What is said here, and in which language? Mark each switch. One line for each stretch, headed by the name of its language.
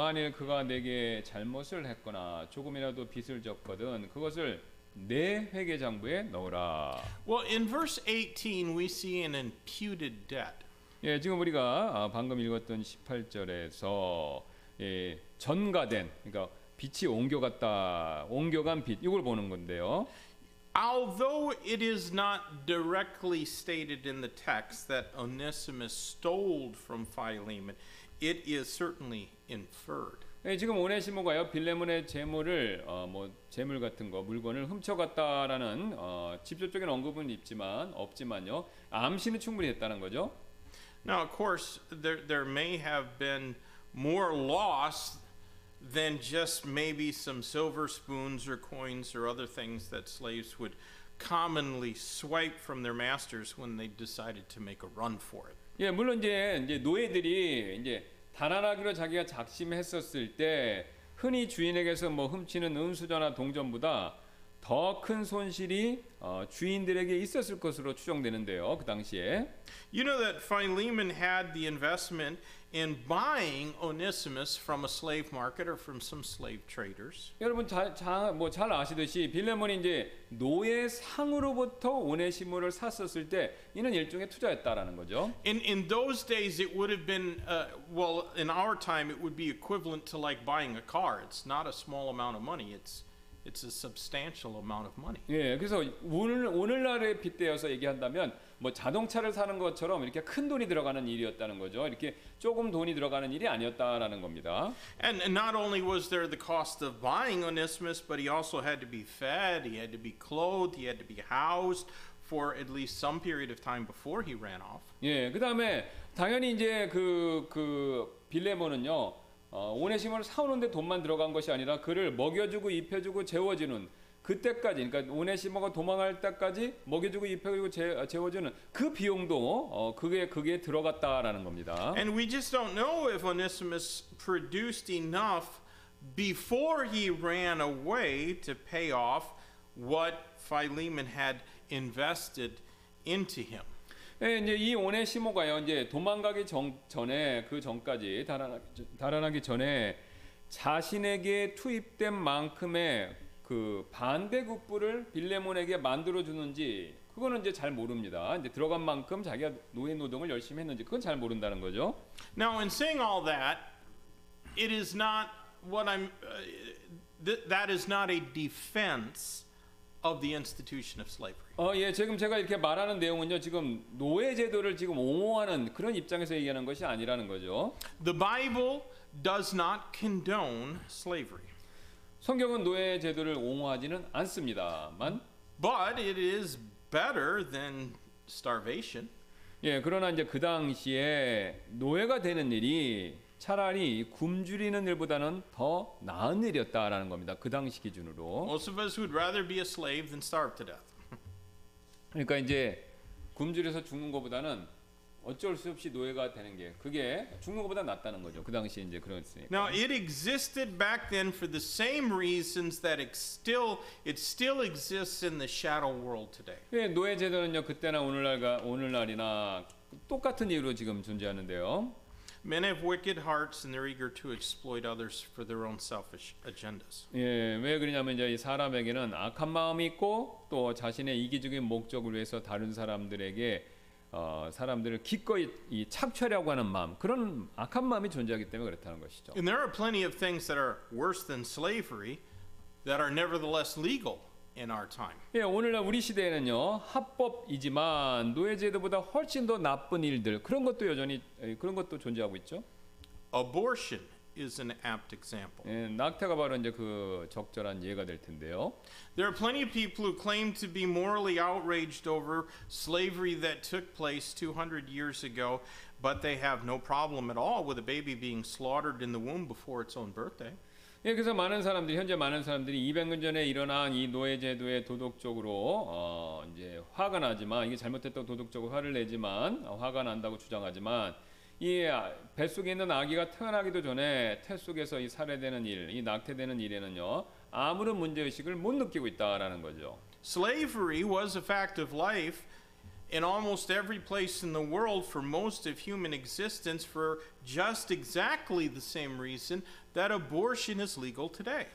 Korean: 만일 그가 내게 잘못을 했거나 조금이라도 빚을 졌거든 그것을 내 회계장부에 넣어라.
English: Well, in verse 18 we see an imputed debt.
Korean: 예, 지금 우리가 방금 읽었던 18절에서 예, 전가된 그러니까 빚이 옮겨갔다. 옮겨간 빚 이걸 보는 건데요.
English: Although it is not directly stated in the text that Onesimus stole from Philemon, it is certainly inferred.
Korean: 예, 지금 오네시모가요 빌레몬의 재물을 뭐 재물 같은 거 물건을 훔쳐갔다라는 직접적인 언급은 없지만요 암시는 충분히 했다는 거죠.
English: Now, of course, there may have been more loss than just maybe some silver spoons or coins or other things that slaves would commonly swipe from their masters when they decided to make a run for it.
Korean: 예, 물론 이제 노예들이 이제 달아나기로 자기가 작심했었을 때 흔히 주인에게서 뭐 훔치는 은수저나 동전보다 더 큰 손실이 주인들에게 있었을 것으로 추정되는데요. 그 당시에
English: You know that Philemon had the investment in buying Onesimus from a slave market or from some slave traders.
Korean: 여러분 잘 아시듯이 빌레몬이 이제 노예 상으로부터 오네시모를 샀었을 때 이는 일종의 투자였다라는 거죠.
English: In those days it would have been well in our time it would be equivalent to like buying a car. It's not a small amount of money. It's a substantial amount of money.
Korean: 예, 그래서 오늘날의 빚대여서 얘기한다면 뭐 자동차를 사는 것처럼 이렇게 큰 돈이 들어가는 일이었다는 거죠. 이렇게 조금 돈이 들어가는 일이 아니었다라는 겁니다.
English: And not only was there the cost of buying Onesimus, but he also had to be fed, he had to be clothed, he had to be housed for at least some period of time before he ran off.
Korean: 예, 그다음에 당연히 이제 그 빌레몬은요. 오네시모를 사오는데 돈만 들어간 것이 아니라 그를 먹여주고 입혀주고 재워주는 그때까지 그러니까 오네시모가 도망할 때까지 먹여주고 입혀주고 재워주는 그 비용도 그게 들어갔다라는 겁니다.
English: And we just don't know if Onesimus produced enough before he ran away to pay off what Philemon had invested into him.
Korean: 예, 이제 이 오네시모가요 이제 도망가기 전에 그 전까지 달아나기 전에 자신에게 투입된 만큼의 그 반대급부를 빌레몬에게 만들어 주는지 그거는 이제 잘 모릅니다. 이제 들어간 만큼 자기가 노예 노동을 열심히 했는지 그건 잘 모른다는 거죠.
English: Now in saying all that, it is not what I'm. That is not a defense. Of the institution of slavery.
Korean: 예, 지금 제가 이렇게 말하는 내용은요, 지금 노예 제도를 지금 옹호하는 그런 입장에서 얘기하는 것이 아니라는 거죠.
English: The Bible does not condone slavery.
Korean: 성경은 노예 제도를 옹호하지는 않습니다만.
English: But it is better than starvation.
Korean: 예, 그러나 이제 그 당시에 노예가 되는 일이 차라리 굶주리는 일보다는 더 나은 일이었다라는 겁니다. 그 당시 기준으로.
English: Most of us would rather be a slave than starve to death.
Korean: 그러니까 이제 굶주려서 죽는 것보다는 어쩔 수 없이 노예가 되는 게 그게 죽는 것보다 낫다는 거죠. 그 당시 이제 그랬으니까.
English: Now it existed back then for the same reasons that it still exists in the shadow world today.
Korean: 예, 노예 제도는요 그때나 오늘날이나 똑같은 이유로 지금 존재하는데요.
English: Men have wicked hearts and they're eager to exploit others for their own selfish agendas.
Korean: 예, 왜 그러냐면 이제 이 사람에게는 악한 마음이 있고 또 자신의 이기적인 목적을 위해서 다른 사람들에게 사람들을 기꺼이 이 착취하려고 하는 마음, 그런 악한 마음이 존재하기 때문에 그렇다는 것이죠.
English: And there are plenty of things that are worse than slavery that are nevertheless legal in our time.
Korean: 예, 오늘날 우리 시대에는요 합법이지만 노예제도보다 훨씬 더 나쁜 일들 그런 것도 여전히 그런 것도 존재하고 있죠.
English: Abortion is an apt example.
Korean: 예, 낙태가 바로 이제 그 적절한 예가 될 텐데요.
English: There are plenty of people who claim to be morally outraged over slavery that took place 200 years ago, but they have no problem at all with a baby being slaughtered in the womb before its own birthday.
Korean: 예, 그래서 많은 사람들이 현재 많은 사람들이 200년 전에 일어난 이 노예 제도에 도덕적으로 이제 화가 나지만 이게 잘못됐다고 도덕적으로 화를 내지만 화가 난다고 주장하지만 이 뱃속에 있는 아기가 태어나기도 전에 태 속에서 이 살해되는 일, 이 낙태되는 일에는요 아무런 문제 의식을 못 느끼고 있다라는 거죠.
English: Slavery was a fact of life in almost every place in the world for most of human existence for just exactly the same reason that abortion is legal today.